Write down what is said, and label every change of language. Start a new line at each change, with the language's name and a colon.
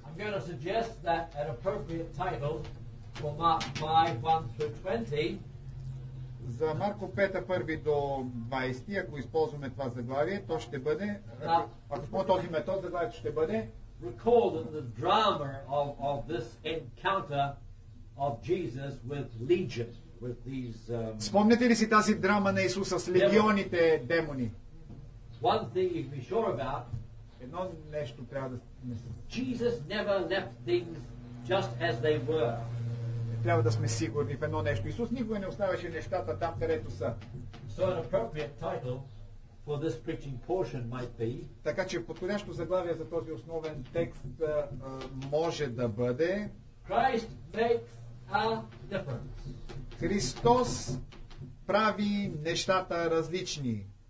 English: I'm going to suggest that an appropriate title for Mark 5, 1 through 20,
Bulgarian: за Марко 5, 1 до 20, ако използваме това заглавие, то ще бъде, ако този метод, заглавието ще бъде,
English: recall that the drama of this encounter of Jesus with legion, with these.
Bulgarian: Спомнете ли си тази драма на Исуса с легионите демони?
English: One thing you can be sure about.
Bulgarian: Едно нещо трябва да сме.
English: Jesus never left things just as they were.
Bulgarian: Трябва да сме сигурни в едно нещо. Исус никога не оставяше нещата там, където са.
English: So an appropriate title for this preaching portion might be.
Bulgarian: Така че подходящо заглавие за този основен текст може да бъде
English: Christ makes a difference.
Bulgarian: Христос прави нещата различни.